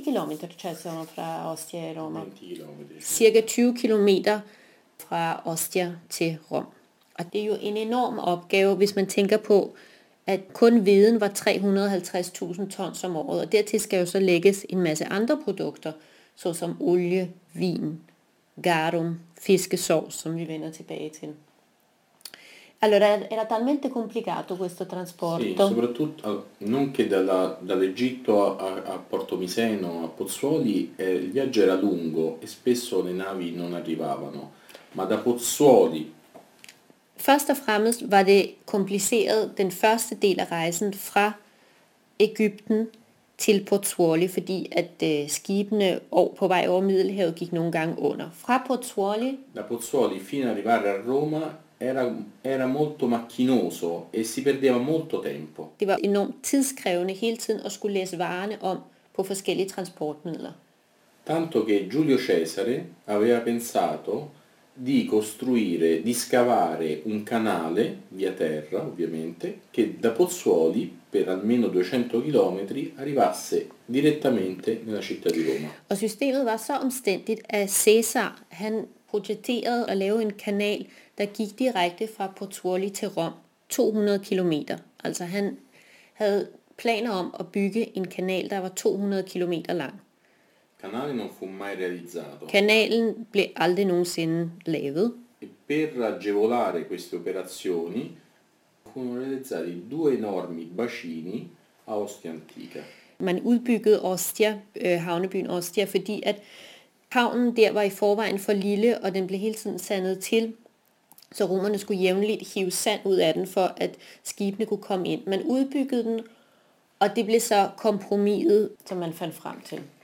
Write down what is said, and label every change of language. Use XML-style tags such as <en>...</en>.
<it>kilometer ci sono fra Ostia a Roma?</it> <da>20 kilometer. Cirka 20 kilometer fra Ostia til Rom. Og det er jo en enorm opgave, hvis man tænker på, at kun hveden var 350.000 tons om året, og dertil skal jo så lægges en masse andre produkter, såsom olie, vin, garum, fiskesovs, som vi vender tilbage til.</da> <it>Allora, era talmente complicato questo trasporto. Sì, soprattutto non che dall'Egitto a Porto Miseno, a Pozzuoli, il viaggio era lungo e spesso le navi non arrivavano, ma da Pozzuoli.</it> <da>Først og fremmest var det kompliceret den første del af rejsen fra Egypten til Pozzuoli, fordi at skibene på vej over Middelhavet gik nogle gange under. Fra Pozzuoli.</da> <it>Da Pozzuoli fino arrivare a Roma era molto macchinoso e si perdeva molto tempo.</it> <da>Det var enormt tidskrævende hele tiden at skulle læse varerne om på forskellige transportmidler.</da> <it>Tanto che Giulio Cesare aveva pensato di costruire, di scavare un canale via terra, ovviamente, che da Pozzuoli per almeno 200 km arrivasse direttamente nella città di Roma.</it> <da>Og systemet var så omstændigt, at Cæsar, han projekterede at lave en kanal, der gik direkte fra Pozzuoli til Rom, 200 km. Altså han havde planer om at bygge en kanal, der var 200 km lang.</da> <it>Canale non fu mai realizzato.</it> <da>Kanalen blev aldrig nogensinde lavet.</da> <it>E per agevolare queste operazioni furono realizzati due enormi bacini a Ostia Antica.</it> <da>Man udbyggede Ostia, havnebyen Ostia, fordi at havnen der var i forvejen for lille, og den blev hele tiden sandet til, så romerne skulle jævnligt hive sand ud af den, for at skibene kunne komme ind. Man udbyggede den, og det blev så kompromiset, som man fandt frem til.</da>